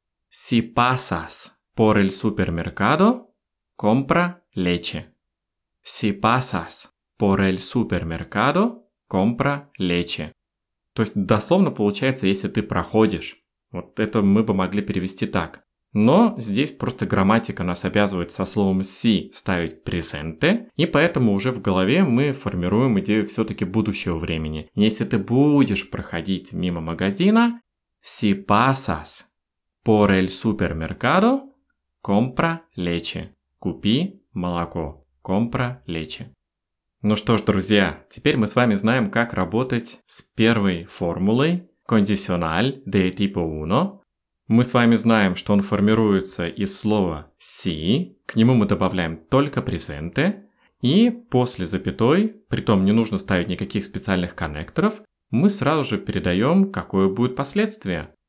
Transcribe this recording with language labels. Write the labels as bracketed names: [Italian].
[Spanish] Si pasas por el supermercado, compra leche. Si pasas por el supermercado, compra leche. [Russian] То есть дословно получается, если ты проходишь. Вот это мы бы могли перевести так. Но здесь просто грамматика нас обязывает со словом si ставить presente, и поэтому уже в голове мы формируем идею все-таки будущего времени. Если ты будешь проходить мимо магазина, [Spanish] Si pasas por el supermercado, compra leche. [Russian] Купи молоко. [Spanish] Compra leche. [Russian] Ну что ж, друзья, теперь мы с вами знаем, как работать с первой формулой «кондициональ» de tipo 1. Мы с вами знаем, что он формируется из слова «si», к нему мы добавляем только «presente», и после запятой, притом не нужно ставить никаких специальных коннекторов, мы сразу же передаем, какое будет последствие.